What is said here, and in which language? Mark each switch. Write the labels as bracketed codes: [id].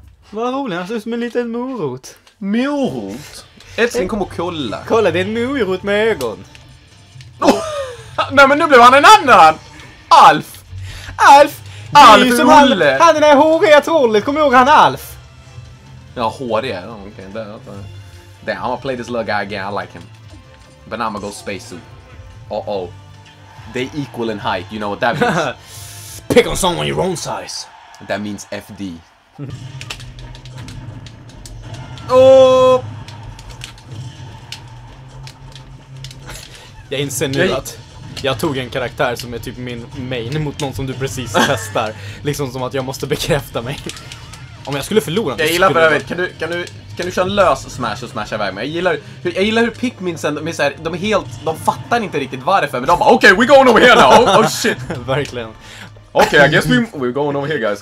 [sv] Vad roligt, han ser ut som en liten morot. Morot? Älskling, kom och kolla. Kolla, det är en morot med ögon. Oh! Nej, men nu blev han en annan! Alf! Alf! Alf är Olle! Han är den här håriga trollet, kom ihåg han Alf! Ja, håriga, okej. Okay. [en] Damn, I'm gonna play this little guy again, I like him. But now I'm gonna go spacesuit. Uh-oh. They equal in height, you know what that means? Pick on someone your own size. That means FD. Oh. [sv] Jag inser nu att jag tog en karaktär som är typ min main mot någon som du precis testar. Liksom som att jag måste bekräfta mig. Om jag skulle förlora. Jag gillar för övrigt, kan du köra en lös smash och smasha iväg mig? Jag gillar hur Pikminsen, de fattar inte riktigt varför. Men de bara, okej, [en] we're going over here now. Oh shit. [sv] Verkligen. Okej, [en] okay, I guess we're going over here guys.